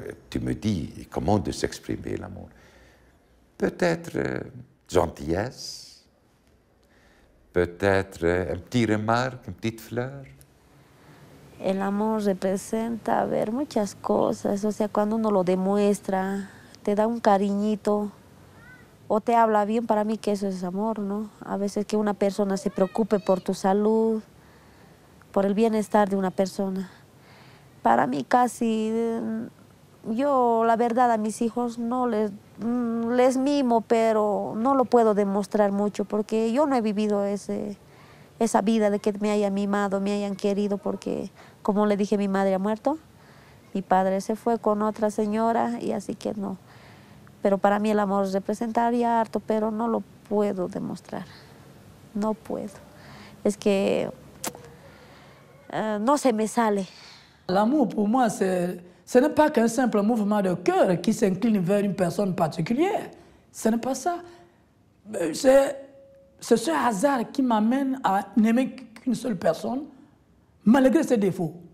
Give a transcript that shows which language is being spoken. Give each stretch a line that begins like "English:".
French: Tu me dis, comment de s'exprimer l'amour? Peut-être gentillesse, peut-être une petite remarque, une petite fleur.
Spanish: El amor representa ver muchas cosas, o sea, cuando uno lo demuestra, te da un cariñito o te habla bien, para mí que eso es amor, ¿no? A veces que una persona se preocupe por tu salud, por el bienestar de una persona. Para mí casi, yo la verdad a mis hijos no les mimo, pero no lo puedo demostrar mucho porque yo no he vivido esa vida de que me hayan mimado, me hayan querido, porque como le dije, mi madre ha muerto, mi padre se fue con otra señora y así que no. Pero para mí el amor representaría harto, pero no lo puedo demostrar, no puedo. Es que no se me sale. El amor, para mí,
French: ce n'est pas qu'un simple mouvement de cœur qui s'incline vers une personne particulière. Ce n'est pas ça. C'est ce hasard qui m'amène à n'aimer qu'une seule personne, malgré ses défauts.